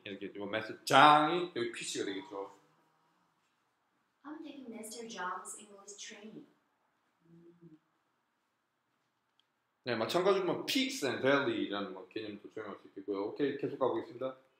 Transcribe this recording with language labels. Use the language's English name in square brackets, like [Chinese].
[Korean] 이렇게 되면 Master Zhang이 여기 pitch가 되겠죠. [English] I'm taking Master Zhang's English training. [Korean] 네, 마찬가지로 뭐 peaks and valley라는 뭐 개념도 적용할 수 있고요. 오케이, 계속 가보겠습니다.